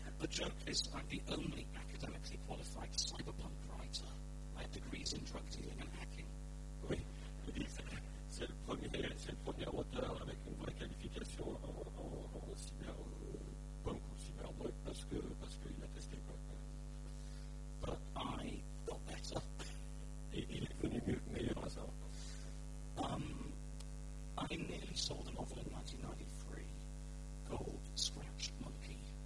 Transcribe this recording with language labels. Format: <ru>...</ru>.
<en>joke is I'm the only academically qualified cyberpunk writer. I have degrees in drug dealing and hacking.</en> <fr>Oui, il dit que c'est le premier auteur avec une vraie qualification en cyberpunk ou cyberdrug parce qu'il a testé quoi.</fr> <en>But I got better.</en> <fr>Et il est devenu meilleur à ça.</fr> <en>I nearly sold a novel in 1993 called Scratch Monkey.</en>